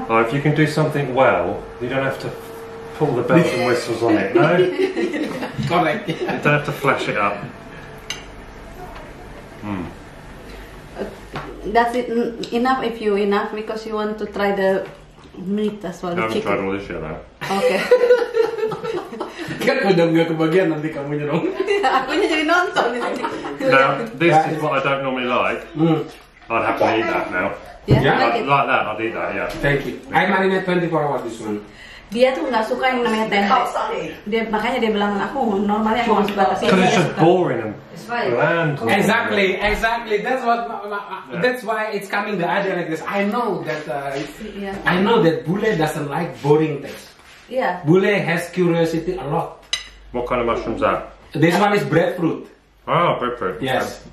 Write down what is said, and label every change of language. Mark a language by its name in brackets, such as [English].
[English] Oh, if you can do something well, you don't have to pull the bells and whistles on it, no? Correct. You don't have to flash it up. That's it enough if you enough, because you want to try the meat as well, the chicken. I haven't tried all this yet, though. Okay. [Indonesian] Kan udah nggak kebagian nanti kamu nyerong. Akunya jadi nonton di sini. [English] Now this is what I don't normally like. I'd have to eat that now. Yeah, like that, I'd eat that. Yeah. Thank you. I marinate 24 hours this one. [Indonesian] Dia tuh nggak suka yang namanya tempe. Makanya dia bilang aku normalnya aku harus batas. [English] Because it's just boring and bland. Exactly, exactly. That's what. That's why it's coming the idea like this. I know that. I know that Bule doesn't like boring things. Yeah. Bule has curiosity a lot. What kind of mushrooms are? This one is breadfruit. Oh, breadfruit. Yes.